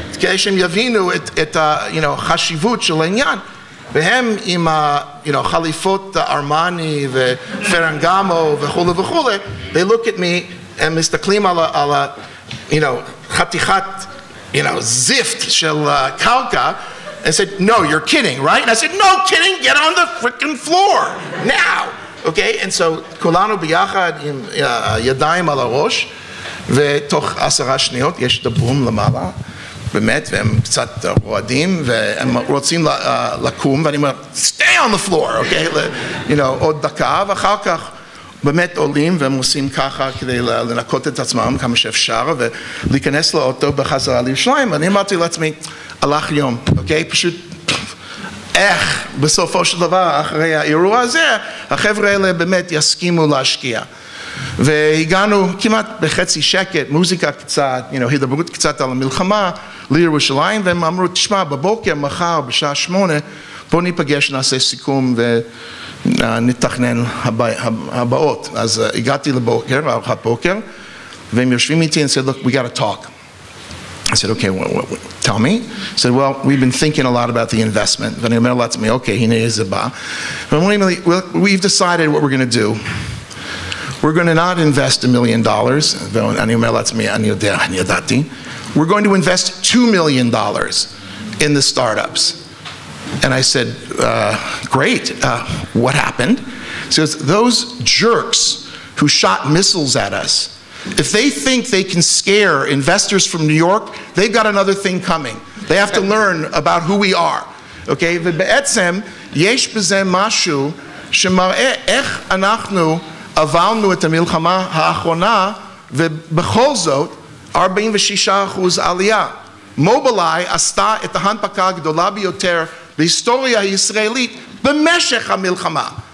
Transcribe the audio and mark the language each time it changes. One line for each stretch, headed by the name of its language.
Hebrew: כדי שהם יבינו את החשיבות של העניין. והם עם חליפות ארמני ופרנגמו וכולי וכולי,
English: they look at me,
Hebrew: הם מסתכלים על חתיכת זיפט של קרקע,
English: and said, no, you're kidding, right? And I said, no kidding, get on the freaking floor, now!
Hebrew: Okay, and so כולנו ביחד עם ידיים על הראש, ותוך 10 שניות יש את הבום למעלה, באמת, והם קצת רועדים, והם רוצים לקום, ואני אומר,
English: stay on the floor, okay?
Hebrew: עוד דקה, ואחר כך באמת עולים והם עושים ככה כדי לנקות את עצמם כמה שאפשר ולהיכנס לאוטו בחזרה לירושלים. אני אמרתי לעצמי, הלך יום, אוקיי? פשוט איך בסופו של דבר אחרי האירוע הזה החבר'ה האלה באמת יסכימו להשקיע. והגענו כמעט בחצי שקט, מוזיקה קצת, you know, הידברות קצת על המלחמה לירושלים, והם אמרו, תשמע, בבוקר, מחר, בשעה 8, בוא ניפגש, נעשה סיכום ונתכנן הבאות. אז הגעתי לבוקר, ארוחת בוקר, והם יושבים איתי,
English: and said, look, we got to talk. I said, okay, well, tell me. He said, well, we've been thinking a lot about the investment.
Hebrew: ואני אומר לעצמי,
English: okay,
Hebrew: הנה איזה בא. והם אומרים לי,
English: well, we've decided what we're going to do. We're going to not invest $1 million.
Hebrew: ואני אומר לעצמי, אני יודע, אני ידעתי.
English: We're going to invest $2 million in the startups. And I said, great, what happened? He says, those jerks who shot missiles at us, if they think they can scare investors from New York, they've got another thing coming. They have to learn about who we are.
Hebrew: Okay, ובעצם יש בזה משהו שמראה איך אנחנו עברנו את המלחמה האחרונה, ובכל זאת, 46% עלייה. מובילאי עשתה את ההנפקה הגדולה ביותר בהיסטוריה הישראלית במשך המלחמה.